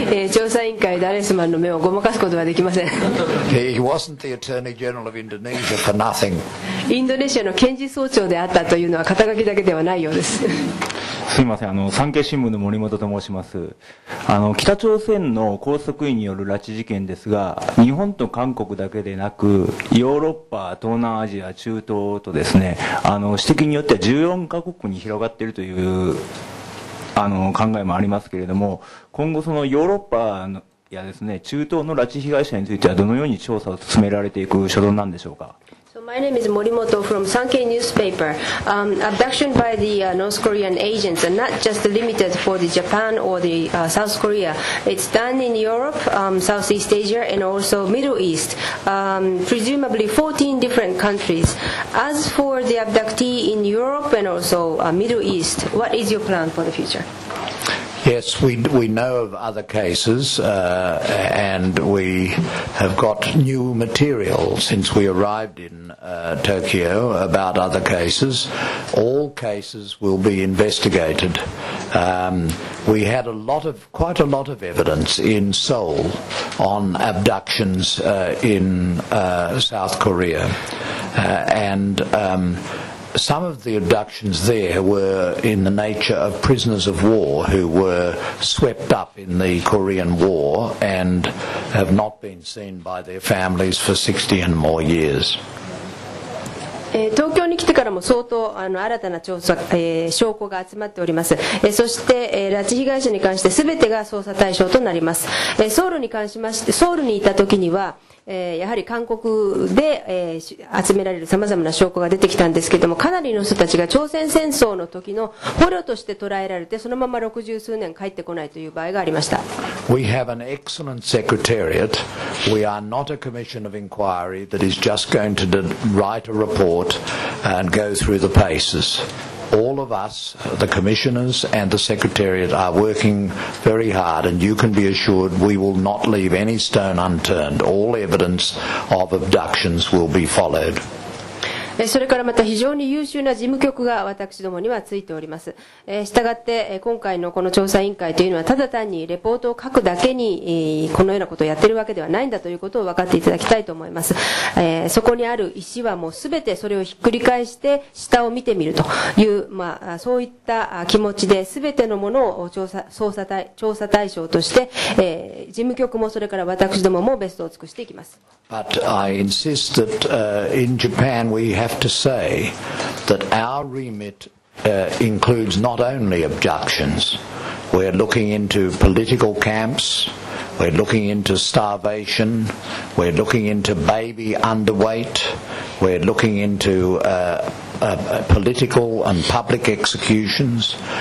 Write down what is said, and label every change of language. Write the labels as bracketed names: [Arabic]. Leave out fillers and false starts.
[Japanese] 調査委員会ダレスマンの目をごまかすことはできません。 [English] He wasn't the Attorney General of Indonesia for nothing. [Japanese] インドネシアの検事総長であったというのは肩書きだけではないようです。すみません、産経新聞の森本と申します。北朝鮮の拘束員による拉致事件ですが、日本と韓国だけでなく、ヨーロッパ、東南アジア、中東とですね、指摘によっては14カ国に広がっているという考えもありますけれども、今後そのヨーロッパやですね、中東の拉致被害者についてはどのように調査を進められていく所存なんでしょうか。 [English] My name is Morimoto from Sankei newspaper. Abduction by the North Korean agents are not just limited for the Japan or the South Korea. It's done in Europe, Southeast Asia, and also Middle East, presumably 14 different countries. As for the abductee in Europe and also Middle East, what is your plan for the future? Yes, we know of other cases, and we have got new material since we arrived in Tokyo about other cases. All cases will be investigated. We had quite a lot of evidence in Seoul on abductions in South Korea, and some of the abductions there were in the nature of prisoners of war who were swept up in the Korean War and have not been seen by their families for 60 and more years. [Japanese] 東京に来てからも相当新たな調査、証拠が集まっております。そして、拉致被害者に関して全てが捜査対象となります。ソウルに関しまして、ソウルにいた時には、やはり韓国で、集められるさまざまな証拠が出てきたんですけれども、かなりの人たちが朝鮮戦争の時の捕虜として捉えられて、そのまま六十数年帰ってこないという場合がありました。 [English] We have an excellent secretariat. We are not a commission of inquiry that is just going to write a report and go through the paces. All of us, the commissioners and the secretariat, are working very hard, and you can be assured we will not leave any stone unturned. All evidence of abductions will be followed. [Japanese] それからまた非常に優秀な事務局が私どもにはついております。したがって今回のこの調査委員会というのは、ただ単にレポートを書くだけにこのようなことをやっているわけではないんだということを分かっていただきたいと思います。そこにある石はもうすべてそれをひっくり返して下を見てみるという、まあそういった気持ちで、すべてのものを調査対象として事務局もそれから私どももベストを尽くしていきます。 [English] But I insist that in Japan we have to say that our remit includes not only abductions. We're looking into political camps. We're looking into starvation. We're looking into baby underweight. We're looking into political and public executions.